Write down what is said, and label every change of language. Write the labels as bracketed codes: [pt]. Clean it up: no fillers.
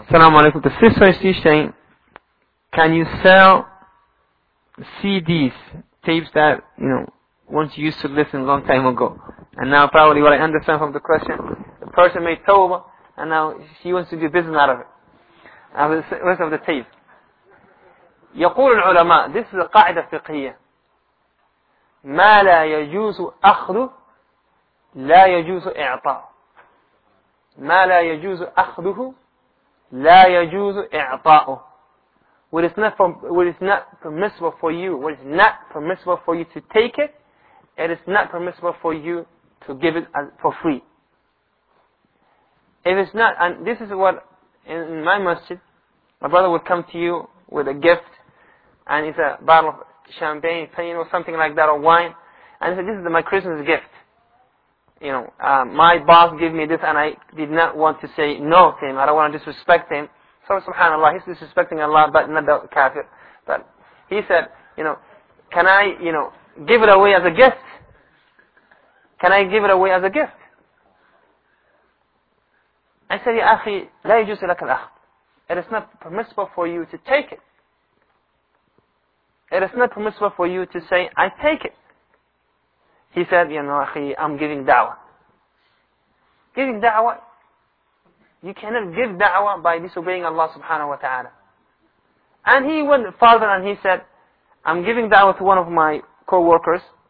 [ar] السلام عليكم [en] the sister is saying can you sell CDs tapes that you know once you used to listen long time ago and now probably what I understand from the question the person made tawbah and now she wants to do business out of it. Out of the rest of the tape. [ar] يقول العلماء, [en] this is a [ar] قاعدة فقهية. ما لا يجوز أخذ لا يجوز إعطاء. ما لا يجوز أخذه لا يجوز إعطاءه. [en] What is not permissible for you, what is not permissible for you to take it, it is not permissible for you to give it for free. If it's not, and this is what, in my masjid, a brother would come to you with a gift, and it's a bottle of champagne, pain, or something like that, or wine, and he said, this is my Christmas gift. You know, my boss gave me this, and I did not want to say no to him, I don't want to disrespect him. So, subhanAllah, he's disrespecting Allah, but not the kafir. But he said, you know, can I, you know, give it away as a gift? Can I give it away as a gift? I said, [ar] يا أخي لا يجوز لك الأخذ. [en] It is not permissible for you to take it. It is not permissible for you to say, I take it. He said, [ar] يا أخي, [en] I'm giving da'wah. Giving da'wah? You cannot give da'wah by disobeying Allah subhanahu wa ta'ala. And he went farther and he said, I'm giving da'wah to one of my co-workers.